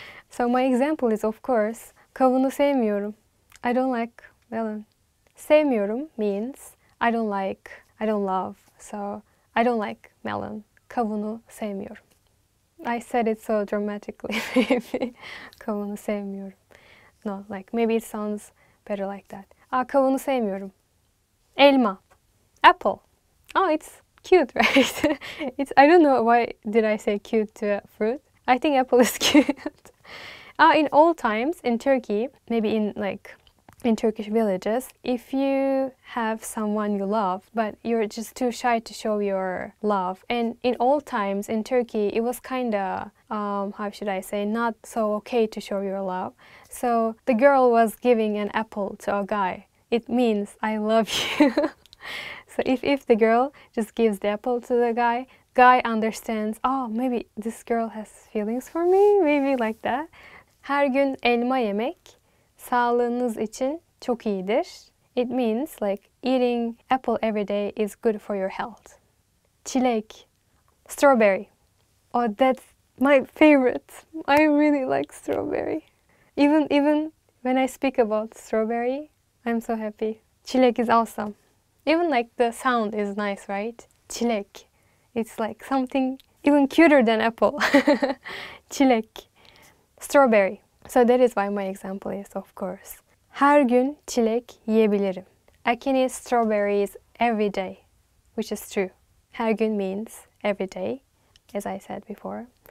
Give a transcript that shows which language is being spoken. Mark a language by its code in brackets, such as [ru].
[en] So my example is, of course, [tr] kavunu sevmiyorum. [en] I don't like melon. Sevmiyorum means I don't like, I don't love. So I don't like melon. [tr] Kavunu sevmiyorum. [en] I said it so dramatically, maybe. [tr] Kavunu sevmiyorum. [en] No, like maybe it sounds better like that. [tr] Kavunu sevmiyorum. Elma. Apple. [en] Oh, it's cute, right? It's, I don't know why did I say cute to a fruit. I think apple is cute. In old times in Turkey, maybe in Turkish villages, if you have someone you love but you're just too shy to show your love, and in old times in Turkey it was kind of not so okay to show your love, so the girl was giving an apple to a guy. It means I love you. So if the girl just gives the apple to the guy understands, oh, maybe this girl has feelings for me, maybe like that. [tr] Her gün elma yemek sağlığınız için çok iyidir. [en] It means like eating apple every day is good for your health. Çilek, strawberry. Oh, that's my favorite. I really like strawberry. Even when I speak about strawberry, I'm so happy. Çilek is awesome. Even like the sound is nice, right? Çilek. It's like something even cuter than apple. Çilek. Strawberry. So that is why my example is, of course. [tr] Her gün çilek yiyebilirim. [en] I can eat strawberries every day, which is true. [tr] Her gün [en] means every day, as I said before.